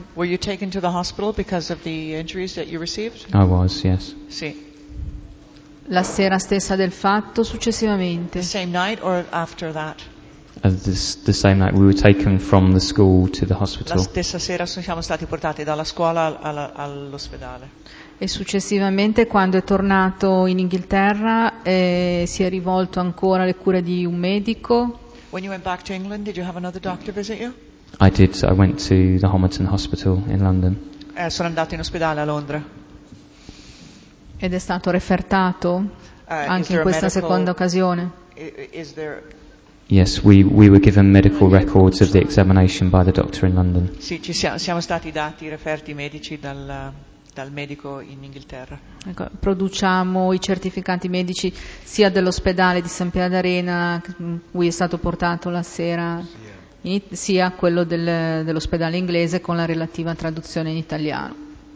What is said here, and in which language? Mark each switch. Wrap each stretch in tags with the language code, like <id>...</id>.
<en>Were you taken to the hospital because of the injuries that you received? I was, yes.</en> <it>Sì. La sera stessa del fatto, successivamente.</it> <en>The same night or after that? The same night we were taken from the school to the hospital.</en> <it>La stessa sera siamo stati portati dalla scuola all'ospedale. E successivamente, quando è tornato in Inghilterra, si è rivolto ancora alle cure di un medico.</it> <en>When you went back to England, did you have another doctor visit you? I did. I went to the Homerton Hospital in London.</en> <it>Sono andato in ospedale a Londra. Ed è stato refertato anche in questa seconda occasione.</it> <en>Is there? Yes, we were given medical records of the examination by the doctor in London.</en> <it>Sì, ci siamo stati dati referti medici dal medico in Inghilterra. Ecco, produciamo i certificati medici sia dell'ospedale di San Pia d'Arena, cui è stato portato la sera, sia quello dell'ospedale inglese con la relativa traduzione in italiano.</it>